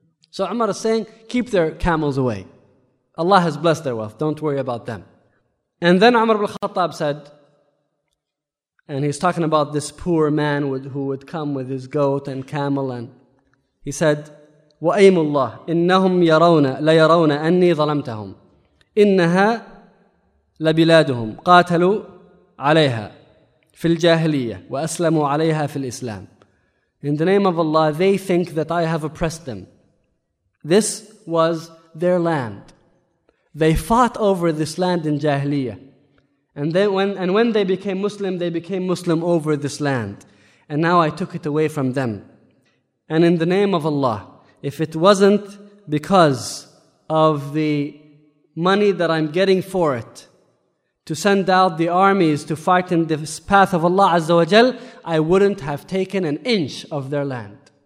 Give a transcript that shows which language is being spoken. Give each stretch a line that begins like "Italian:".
English: So Umar is saying, keep their camels away. Allah has blessed their wealth. Don't worry about them. And then Umar ibn Khattab said, and he's talking about this poor man who would come with his goat and camel. And he said,
Arabic: وأيم الله إنهم يرون لا يرون أني ظلمتهم إنها لبلادهم قاتلوا عليها في الجاهلية وأسلموا عليها في الإسلام.
English: In the name of Allah, they think that I have oppressed them. This was their land. They fought over this land in Jahiliyyah. And then when they became Muslim over this land. And now I took it away from them. And in the name of Allah, if it wasn't because of the money that I'm getting for it, to send out the armies to fight in this path of Allah Azza wa Jal, I wouldn't have taken an inch of their land.